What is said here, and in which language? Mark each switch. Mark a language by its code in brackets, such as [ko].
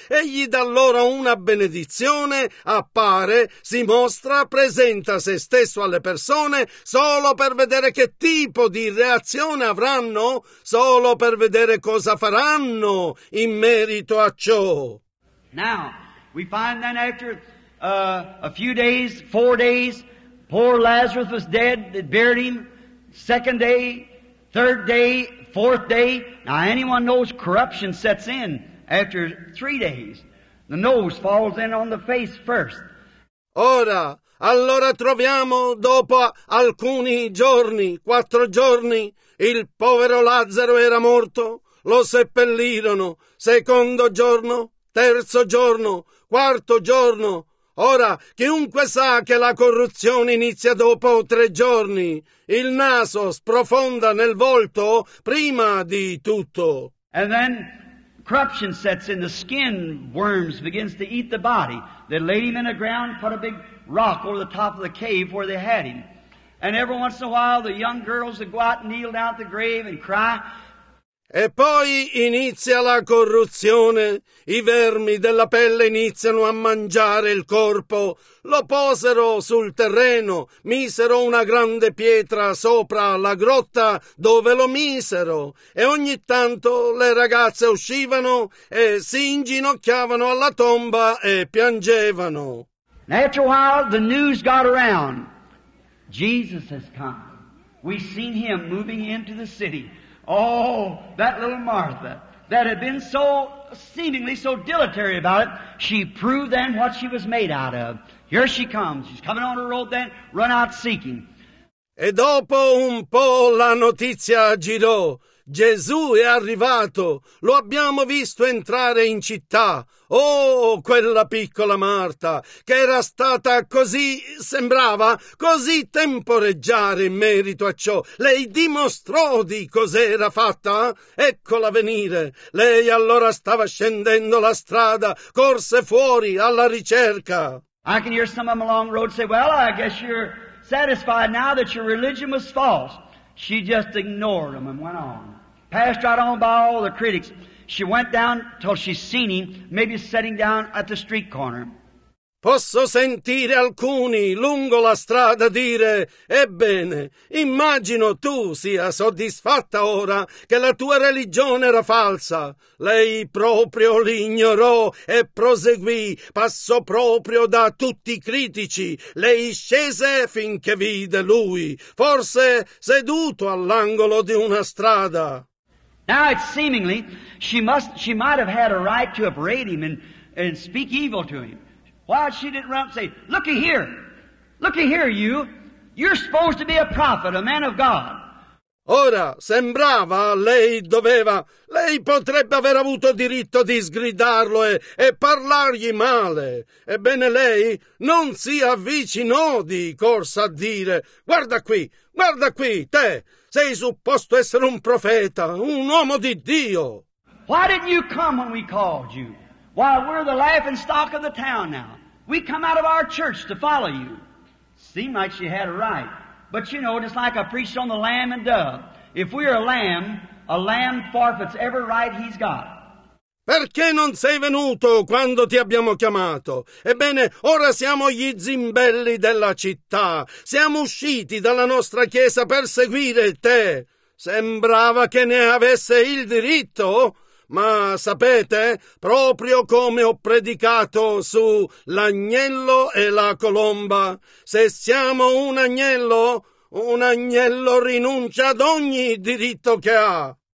[it] Egli dà loro una benedizione, appare, si mostra, presenta se stesso alle persone solo per vedere che tipo di reazione avranno, solo per vedere cosa faranno in merito a ciò. [en] Now, we find then after a few days, 4 days, poor Lazarus was dead, they buried him. Second day, third day, fourth day. Now, anyone knows corruption sets in after 3 days. The nose falls in on the face first. [it] Ora, allora troviamo dopo alcuni giorni, 4 giorni, il povero Lazzaro era morto, lo seppellirono. Secondo giorno. Terzo giorno, quarto giorno. Ora, chiunque sa che la corruzione inizia dopo 3 giorni. Il naso sprofonda nel volto prima di tutto. [en] And then corruption sets in, the skin worms begins to eat the body. They laid him in the ground, put a big rock over the top of the cave where they had him. And every once in a while the young girls would go out and kneel down at the grave and cry. [it] E poi inizia la corruzione, i vermi della pelle iniziano a mangiare il corpo, lo posero sul terreno, misero una grande pietra sopra la grotta dove lo misero, e ogni tanto le ragazze uscivano e si inginocchiavano alla tomba e piangevano. [en] After a while the news got around. Jesus has come. We've seen him moving into the city. Oh, that little Martha, that had been so seemingly so dilatory about it, she proved then what she was made out of. Here she comes. She's coming on her road then, run out seeking. [it] E dopo un po' la notizia girò. Gesù è arrivato. Lo abbiamo visto entrare in città. Oh, quella piccola Marta, che era stata così, sembrava così temporeggiare in merito a ciò. Lei dimostrò di cos'era fatta. Eccola venire. Lei allora stava scendendo la strada, corse fuori alla ricerca. [en] I can hear some of them along the road say, well, I guess you're satisfied now that your religion was false. She just ignored them and went on. Passed right on by all the critics. She went down till she seen him, maybe sitting down at the street corner. [it] Posso sentire alcuni lungo la strada dire, ebbene, immagino tu sia soddisfatta ora che la tua religione era falsa. Lei proprio li ignorò e proseguì, passò proprio da tutti i critici. Lei scese finché vide lui, forse seduto all'angolo di una strada. [en] Now it's seemingly, she might have had a right to upbraid him and speak evil to him. Why she didn't run up and say, looky here you, you're supposed to be a prophet, a man of God. [it] Ora, sembrava, lei potrebbe aver avuto diritto di sgridarlo e parlargli male. Ebbene lei non si avvicinò di corsa a dire, guarda qui, te, sei supposto essere un profeta, un uomo di Dio. [en] Why didn't you come when we called you? Why, we're the laughing stock of the town now. We come out of our church to follow you. Seemed like she had a right. But you know, just like I preached on the lamb and dove. If we are a lamb forfeits every right he's got. [it] Perché non sei venuto quando ti abbiamo chiamato? Ebbene, ora siamo gli zimbelli della città. Siamo usciti dalla nostra chiesa per seguire te. Sembrava che ne avesse il diritto, ma sapete, proprio come ho predicato su l'agnello e la colomba, se siamo un agnello rinuncia ad ogni diritto che ha.